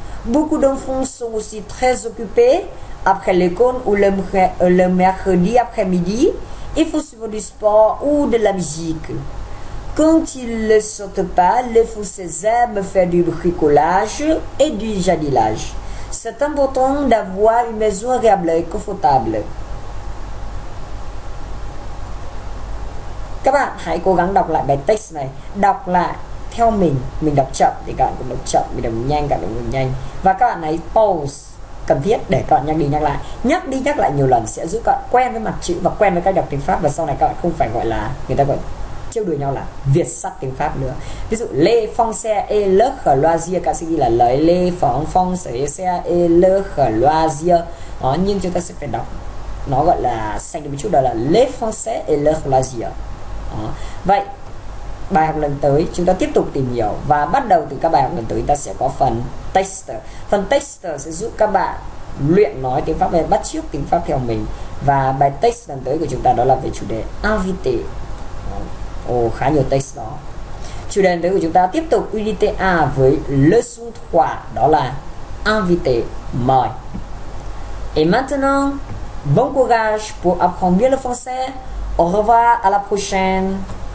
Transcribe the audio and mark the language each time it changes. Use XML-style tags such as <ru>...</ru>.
<fr>Beaucoup d'enfants sont aussi très occupés après l'école ou le mercredi après-midi. Ils font souvent du sport ou de la musique. Quand ils ne sortent pas, les Français aiment faire du bricolage et du jardinage. C'est important d'avoir une maison agréable et confortable.</fr> <vi>Các bạn hãy cố gắng đọc lại bài text này, đọc lại theo mình đọc chậm thì các bạn cũng đọc chậm, mình đọc nhanh các bạn cũng đọc nhanh, và các bạn hãy pause cần thiết để các bạn nhắc đi nhắc lại, nhắc đi nhắc lại nhiều lần sẽ giúp các bạn quen với mặt chữ và quen với cách đọc tiếng Pháp, và sau này các bạn không phải gọi là người ta gọi trêu đùa nhau là Việt sắc tiếng Pháp nữa. Ví dụ Lê Phong xe e lơ khở loa dìa, các sĩ ghi là lời Lê Phong Phong xe xe e lơ khở loa dìa đó, nhưng chúng ta sẽ phải đọc nó gọi là xanh một chút, đó là Lê Phong xe e lơ khở loa dìa. Vậy bài học lần tới chúng ta tiếp tục tìm hiểu, và bắt đầu từ các bài học lần tới ta sẽ có phần tester. Phần tester sẽ giúp các bạn luyện nói tiếng Pháp hay bắt chước tiếng Pháp theo mình. Và bài text lần tới của chúng ta đó là về chủ đề invité. Ồ, khá nhiều text đó. Chủ đề lần tới của chúng ta tiếp tục unité A với leçon 3, đó là invité, mời.</vi> <fr>Et maintenant, bon courage pour apprendre le français. Au revoir, à la prochaine.</fr>